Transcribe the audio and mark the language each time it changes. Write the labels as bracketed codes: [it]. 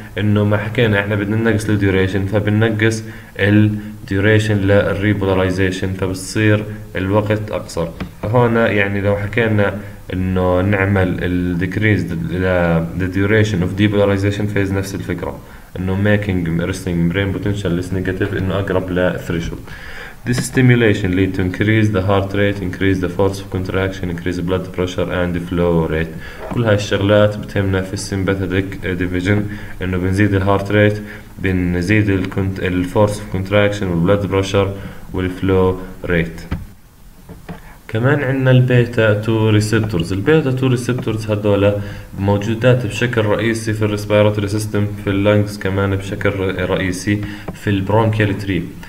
[ar] إنه ما حكينا إحنا بدنا ننقص the duration، فبننقص ال duration لل repolarization، فبتصير الوقت أقصر. هون يعني لو حكينا إنه نعمل ال [en] decrease the duration of depolarization phase، [ar] نفس الفكرة إنه [en] making resting brain potential less negative، [ar] إنه أقرب ل threshold. [en] This stimulation lead to increase the heart rate, increase the force of contraction, increase blood pressure and flow rate. [ar] كل هاي الشغلات بتهمنا في sympathetic division، إنه بنزيد ال heart rate، بنزيد ال force of contraction وال blood pressure وال flow rate. كمان عندنا البيتا 2 ريسبتورز. البيتا 2 ريسبتورز هذول موجودات بشكل رئيسي في الريسبيراتوري سيستم، في اللنجز كمان بشكل رئيسي في البرونكيال تري.